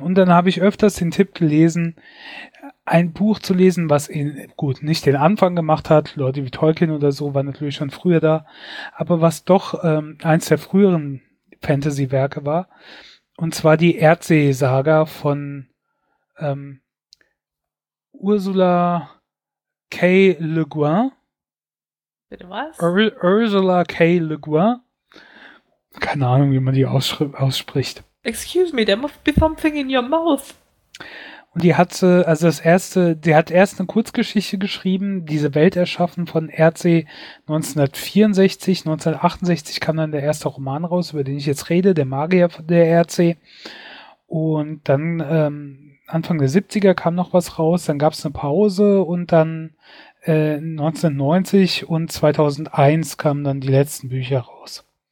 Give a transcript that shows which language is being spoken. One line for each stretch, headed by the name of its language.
German: Und dann habe ich öfters den Tipp gelesen, ein Buch zu lesen, was ihn, gut, nicht den Anfang gemacht hat, Leute wie Tolkien oder so, war natürlich schon früher da, aber was doch eins der früheren Fantasy-Werke war, und zwar die Erdsee-Saga von Ursula K. Le Guin. Bitte was? Ursula K. Le Guin. Keine Ahnung, wie man die ausspricht.
English: Excuse me, there must be something in your mouth.
German: Und die hat, also das erste, die hat erst eine Kurzgeschichte geschrieben, diese Welt erschaffen von Erdsee 1964. 1968 kam dann der erste Roman raus, über den ich jetzt rede, Der Magier der Erdsee. Und dann Anfang der 70er kam noch was raus, dann gab es eine Pause und dann 1990 und 2001 kamen dann die letzten Bücher raus.